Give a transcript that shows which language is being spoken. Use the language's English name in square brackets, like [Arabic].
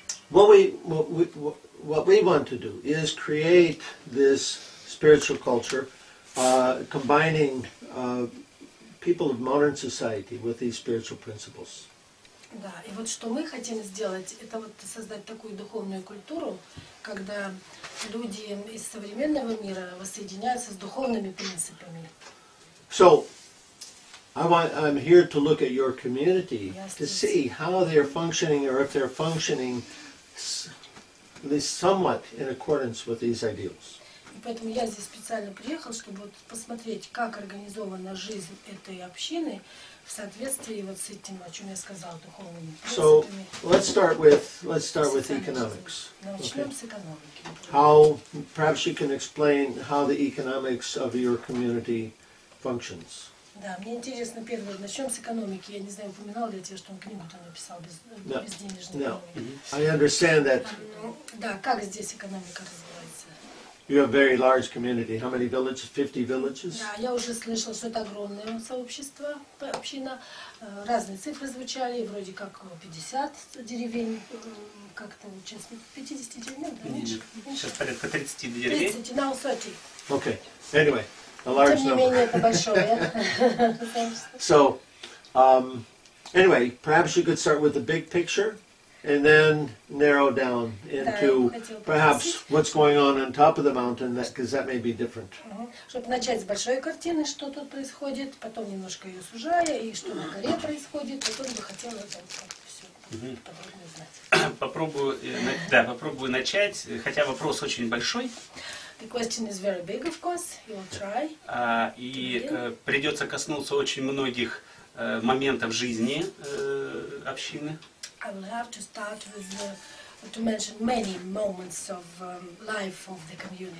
[English] What we want to do is create this spiritual culture, combining people of modern society with these spiritual principles. [Russian] Да, и вот что мы хотим сделать, это вот создать такую духовную культуру, когда люди из современного мира воссоединяются с духовными принципами. [English] So, I'm here to look at your community to see how they're functioning or if they're functioning at least somewhat in accordance with these ideals. [Russian] И поэтому я здесь специально приехал, чтобы вот посмотреть, как организована жизнь этой общины в соответствии вот с этим, о чем я сказал, духовными принципами. [English] So, let's start with economics. [Russian] Начнем с экономики. [English] How, perhaps you can explain how the economics of your community functions. [Russian] Да, мне интересно, первое, начнем с экономики. Я не знаю, упоминал ли я тебе, что он книгу-то написал без безденежной экономики. [English] I understand that. [Russian] Да, как здесь экономика развивается? [English] You have a very large community. How many villages? 50 villages? [Russian] Да, я уже слышала, что это огромное сообщество, община. Разные цифры звучали, вроде как 50 деревень, как-то сейчас 50 деревень, да, меньше? Сейчас порядка 30 деревень. [English] 30, now 30. Okay, anyway. A large [Russian] тем не [English] number. [Russian] Менее, это большое. [English] So, anyway, perhaps you could start with the big picture and then narrow down into perhaps what's going on top of the mountain, because that may be different. [Russian] Чтобы начать с большой картины, что тут происходит, потом немножко ее сужая, и что на горе происходит, потом бы хотела это все подробно узнать. Попробую начать, хотя вопрос очень большой. [English] The question is very big, of course. You will try. [Russian] И придется коснуться очень многих моментов жизни общины. [English] I will have to start with to mention many moments of life of the community.